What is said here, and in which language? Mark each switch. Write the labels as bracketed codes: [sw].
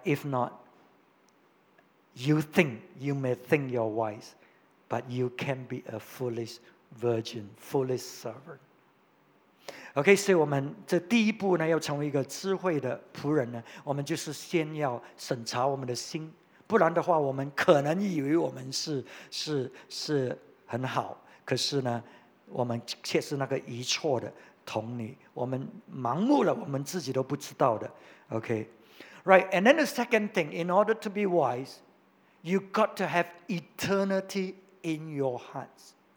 [en] If not, you may think you're wise, but you can be a foolish virgin, foolish servant. Okay, so [zh] 我们这第一步呢，要成为一个智慧的仆人呢，我们就是先要审查我们的心，不然的话，我们可能以为我们是很好，可是呢。我们却是那个遗错的童女，我们盲目了，我们自己都不知道的。 [en] Okay, right. And then the second thing, in order to be wise, you got to have eternity in your hearts.